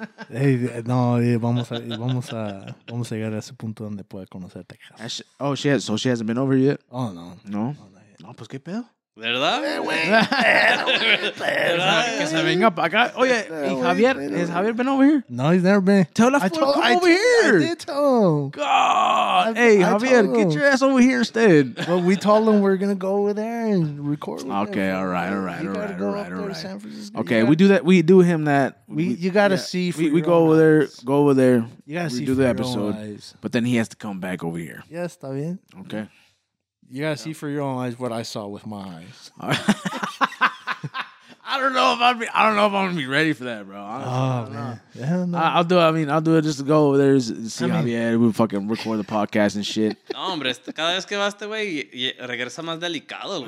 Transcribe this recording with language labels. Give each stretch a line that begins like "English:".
Spanish: Hey, no, vamos a llegar a ese punto donde pueda conocer Texas.
English: Oh, she has, so she hasn't been over yet? Oh, no.
Spanish: No? No, pues qué pedo. ¿Verdad? Que se venga para acá. Oye, ¿y Javier?
English: ¿Has Javier been over here? No, he's never been. Tell the fool, come over here. I did tell him. God. Hey, Javier, get your ass over here instead. Well, we told him we're going to go over there and record. Okay, all right, all right, all right, all right, all right. Okay, we do that. We do him that. You got to see for we go over there. Go over there. You got to see for the episode. But then he has to come back over here.
Spanish: Yes, está bien.
English: Okay. You gotta see for your own eyes what I saw with my eyes. I don't know if I don't know if I'm gonna be ready for that, bro. Honestly, oh man, I'll do it. I mean, I'll do it just to go over there and see Javier. We fucking record the podcast and shit.
Spanish: No, hombre, cada vez que vas este güey, regresa más delicado.